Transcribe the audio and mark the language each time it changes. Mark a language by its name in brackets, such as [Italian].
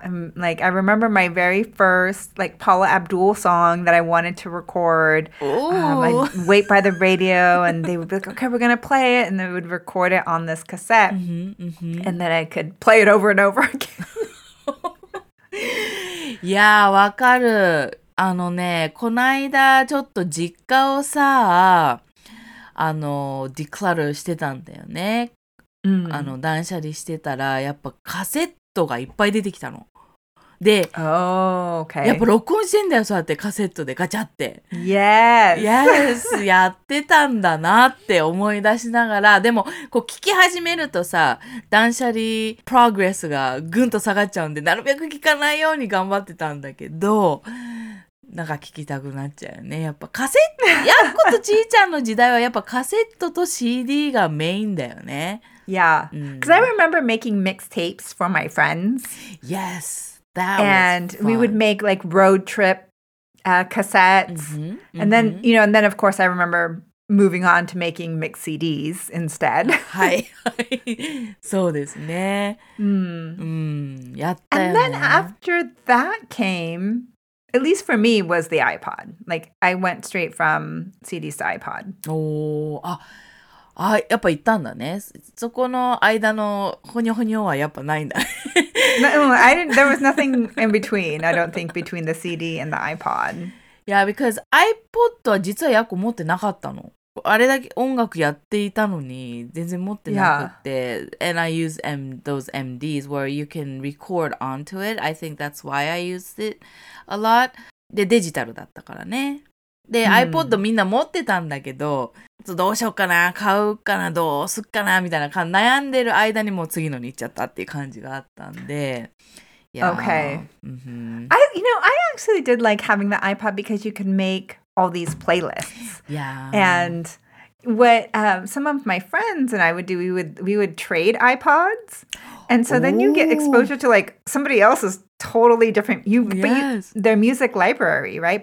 [English] And, like, I remember my very first, like, Paula Abdul song that I wanted to record. I'd wait by the radio, and they would be like, okay, we're going to play it. And they would record it on this cassette. Mm-hmm, mm-hmm. And then I could play it over and over again. Yeah, [Japanese] わかる。あのね、こないだちょっと実家をさ、あの、ディクラルしてたんだよね。あの断捨離してたらやっぱカセットがいっぱい出てきたので、やっぱ録音してんだよ、そうやってカセットでガチャって [English] Yes [Japanese] やってたんだなって思い出しながら、でもこう聞き始めるとさ、断捨離プログレスがぐんと下がっちゃうんで、なるべく聞かないように頑張ってたんだけど、なんか聞きたくなっちゃうよね、やっぱカセット。やっことちいちゃんの時代はやっぱカセットと CD がメインだよね。 [English] Yeah, because I remember making mixtapes for my friends. Yes, that was fun. And we would make like road trip cassettes. Mm-hmm, mm-hmm. And then, you know, and then of course I remember moving on to making mix CDs instead. [Japanese] はい、そうですね。やったよね。 [English] And then after that came, at least for me, was the iPod. Like I went straight from CDs to iPod. [Japanese] あ、やっぱ行ったんだね。そこの間のほにょほにょはやっぱないんだ。 [English] There was nothing in between, I don't think, between the CD and the iPod. Yeah, because [Japanese] iPod は実はやっこ持ってなかったの。あれだけ音楽やっていたのに全然持ってなくて。 [English] Yeah. And I use those MDs where you can record onto it. I think that's why I used it a lot. [Japanese] で、デジタルだったからね。で、iPod みんな持ってたんだけど、どうしようかな、買うかな、どうすっかなみたいな悩んでる間にもう次のに行っちゃったっていう感じがあったんで。 [English] Yeah. Okay. Mm-hmm. I actually did like having the iPod because you can make all these playlists. Yeah. And what some of my friends and I would do, we would trade iPods. And so then you get exposure to like somebody else's totally different their music library, right?